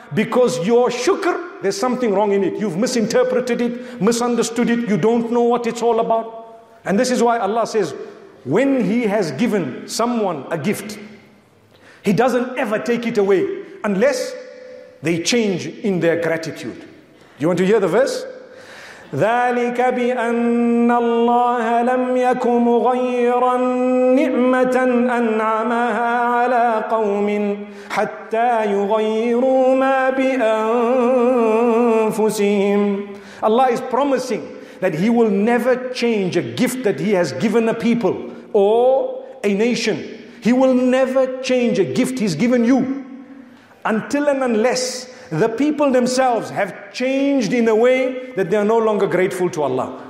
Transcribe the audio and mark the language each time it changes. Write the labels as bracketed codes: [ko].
[en] Because your shukr, there's something wrong in it. You've misinterpreted it, misunderstood it. You don't know what it's all about. And this is why Allah says, when He has given someone a gift, He doesn't ever take it away unless they change in their gratitude. You want to hear the verse? [ar] ذلك بأن الله لم يك مغيرا نعمة أنعمها على قوم حتى يغيروا ما بأنفسهم. [en] Allah is promising that He will never change a gift that He has given a people or a nation. He will never change a gift He's given you until and unless the people themselves have changed in a way that they are no longer grateful to Allah.